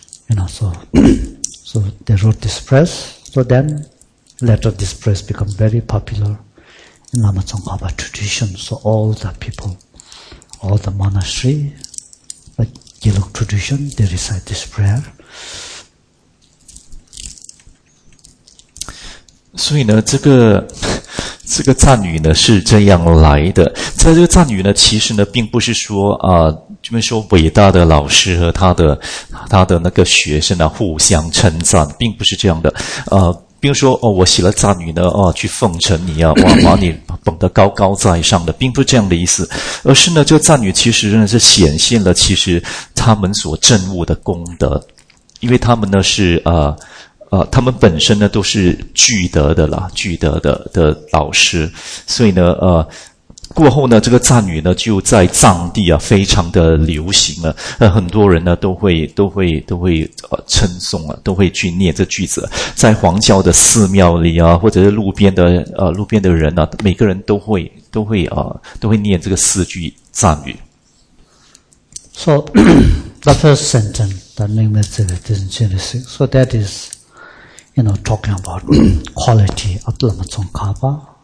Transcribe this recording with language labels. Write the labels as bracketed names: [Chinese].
[English] You know, so so they wrote this verse. So then, later this verse become very popular in Lama Tsongkhapa tradition. So all the people, all the monastery, like Gelug tradition, they recite this prayer. [Chinese] 所以呢，这个赞语呢是这样来的。在这个赞语呢，其实呢，并不是说就是说伟大的老师和他的那个学生呢互相称赞，并不是这样的。比如说我写了赞语呢去奉承你啊，哇，把你捧得高高在上的，并不是这样的意思。而是呢，这个赞语其实呢是显现了其实他们所证悟的功德，因为他们呢是他们本身呢都是具德的啦，具德的老师，所以呢过后呢这个赞语呢就在藏地啊非常的流行了，很多人呢都会称颂了，都会去念这句子，在黄教的寺庙里啊，或者是路边的人啊，每个人都会念这个四句赞语。 [English] So the first sentence that name is in Genesis, so that is, you know, talking about quality of Lama Tsongkhapa.